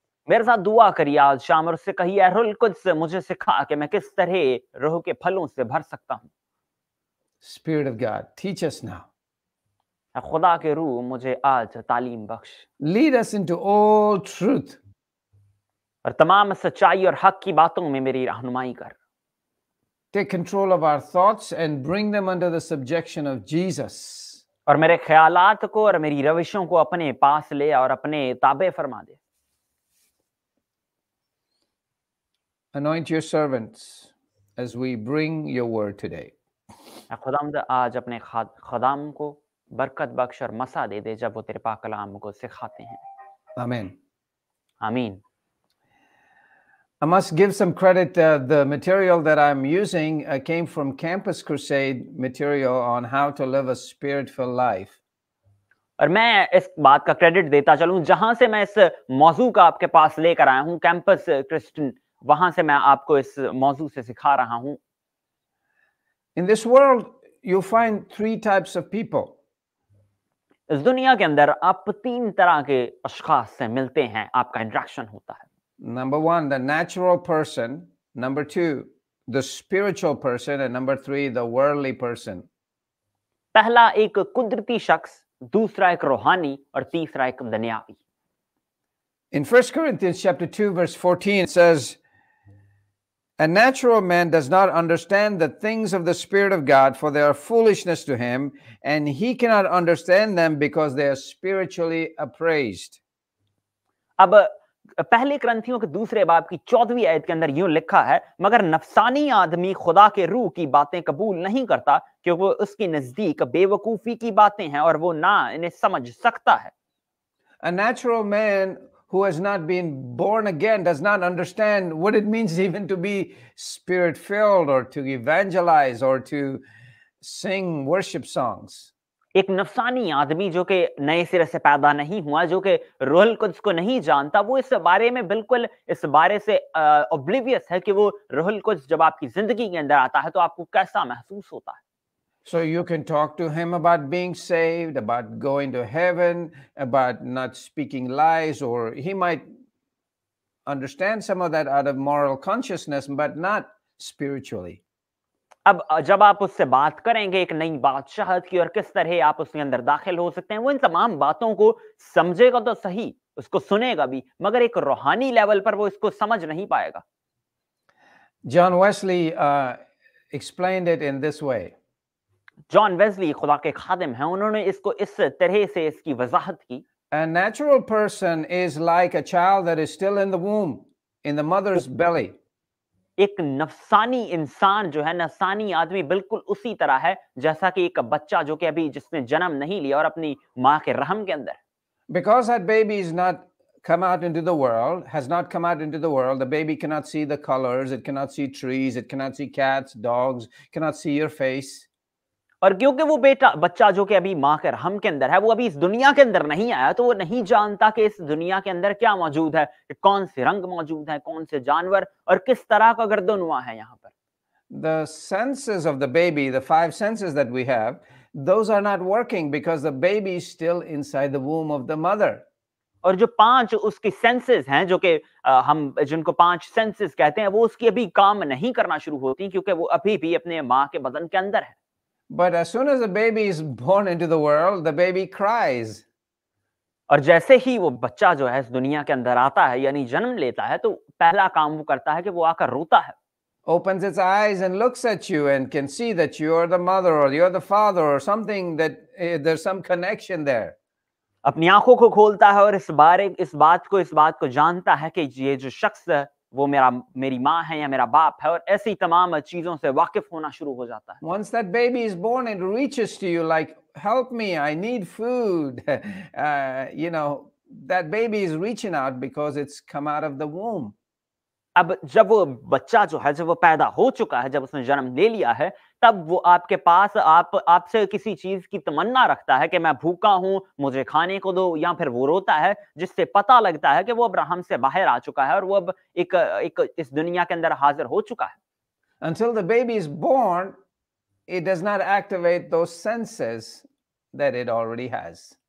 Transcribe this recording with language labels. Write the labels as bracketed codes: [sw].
[ur] میرے ساتھ دعا کریے آج شام اور اس سے کہیے روح القدس مجھے سکھا کہ میں کس طرح روح کے پھلوں سے بھر سکتا ہوں. [en] Spirit of God, teach us now. [ur] خدا کے روح مجھے آج تعلیم بخش. [en] Lead us into all truth. [ur] اور تمام سچائی اور حق کی باتوں میں میری رہنمائی کر. [en] Take control of our thoughts and bring them under the subjection of Jesus. [ur] اور میرے خیالات کو اور میری روشوں کو اپنے پاس لے اور اپنے تابع فرما دے. [en] Anoint your servants as we bring your word today. [ur] خداوند آج اپنے خادم کو برکت بخش اور مسا دے دے جب وہ تیرے پاک کلام کو سکھاتے ہیں. آمین. آمین. [en] I must give some credit. The material that I'm using came from Campus Crusade material on how to live a spirit-filled life. [ur] اور میں اس بات کا کریڈٹ دیتا چلوں جہاں سے میں اس موضوع کا آپ کے پاس لے کر آیا ہوں, کیمپس کرسچن, وہاں سے میں آپ کو اس موضوع سے سکھا رہا ہوں. [en] In this world, you find three types of people. [ur] اس دنیا کے اندر آپ تین طرح کے اشخاص سے ملتے ہیں, آپ کا انٹریکشن ہوتا ہے. [en] Number one, the natural person. Number two, the spiritual person. And number three, the worldly person. [ur] پہلا ایک قدرتی شخص, دوسرا ایک روحانی, اور تیسرا ایک دنیاوی. [en] In 1 Corinthians chapter 2 verse 14 it says, a natural man does not understand the things of the Spirit of God, for they are foolishness to him, and he cannot understand them because they are spiritually appraised. [ur] اب پہلے کرنتھیوں کے دوسرے باب کی 14ویں آیت کے اندر یوں لکھا ہے, مگر نفسانی آدمی خدا کے روح کی باتیں قبول نہیں کرتا کیونکہ وہ اس کی نزدیک بے وقوفی کی باتیں ہیں اور وہ نہ انہیں سمجھ سکتا ہے. [en] A natural man who has not been born again does not understand what it means even to be spirit-filled or to evangelize or to sing worship songs. [ur] ایک نفسانی آدمی جو کہ نئے سرے سے پیدا نہیں ہوا, جو کہ روح القدس کو نہیں جانتا, وہ اس بارے میں بالکل اس بارے سے oblivious ہے کہ وہ روح القدس جب آپ کی زندگی کے اندر آتا ہے تو آپ کو کیسا محسوس ہوتا ہے. [en] So you can talk to him about being saved, about going to heaven, about not speaking lies, or he might understand some of that out of moral consciousness, but not spiritually. [ur] اب جب آپ اس سے بات کریں گے ایک نئی بادشاہت کی اور کس طرح آپ اس کے اندر داخل ہو سکتے ہیں, وہ ان تمام باتوں کو سمجھے گا تو صحیح, اس کو سنے گا بھی, مگر ایک روحانی لیول پر وہ اس کو سمجھ نہیں پائے گا. [en] John Wesley explained it in this way. [ur] John Wesley خدا کے خادم ہیں, انہوں نے اس کو اس طرح سے اس کی وضاحت کی. [en] A natural person is like a child that is still in the womb, in the mother's belly. [ur] ایک نفسانی انسان جو ہے, نفسانی آدمی بالکل اسی طرح ہے جیسا کہ ایک بچہ جو کہ ابھی جس نے جنم نہیں لیا اور اپنی ماں کے رحم کے اندر. [en] Because that baby is not come out into the world, has not come out into the world, the baby cannot see the colors, it cannot see trees, it cannot see cats, dogs, cannot see your face. [ur] اور کیونکہ وہ بیٹا بچہ جو کہ ابھی ماں کے رحم کے اندر ہے, وہ ابھی اس دنیا کے اندر نہیں آیا, تو وہ نہیں جانتا کہ اس دنیا کے اندر کیا موجود ہے, کہ کون سے رنگ موجود ہیں, کون سے جانور اور کس طرح کا گرد و نواح ہے یہاں پر. [en] The senses of the baby, the five senses that we have, those are not working because the baby is still inside the womb of the mother. [ur] اور جو پانچ اس کی سینسز ہیں جو کہ ہم جن کو پانچ سینسز کہتے ہیں, وہ اس کی ابھی کام نہیں کرنا شروع ہوتی کیونکہ وہ ابھی بھی اپنے ماں کے بدن کے اندر ہے. [en] But as soon as a baby is born into the world, the baby cries. [ur] اور جیسے ہی وہ بچہ جو ہے اس دنیا کے اندر آتا ہے یعنی جنم لیتا ہے تو پہلا کام وہ کرتا ہے کہ وہ آ کر روتا ہے. [en] Opens its eyes and looks at you and can see that you are the mother or you are the father or something, that there's some connection there. [ur] اپنی آنکھوں کو کھولتا ہے اور اس بات کو جانتا ہے کہ یہ جو شخص ہے وہ میری ماں ہے یا میرا باپ ہے, اور ایسی تمام چیزوں سے واقف ہونا شروع ہو جاتا ہے. [en] Once that baby is born and reaches to you like, help me, I need food, you know, that baby is reaching out because it's come out of the womb. [ur] اب جب وہ بچہ جو ہے جب وہ پیدا ہو چکا ہے جب اس نے جنم لے لیا ہے تب وہ آپ کے پاس آپ سے کسی چیز کی تمنا رکھتا ہے کہ میں بھوکا ہوں مجھے کھانے کو دو یا پھر وہ روتا ہے جس سے پتہ لگتا ہے کہ وہ اب رحم سے باہر آ چکا ہے اور وہ اب ایک اس دنیا کے اندر حاضر ہو چکا ہے [en] Until the baby is born, it does not activate those senses that it already has.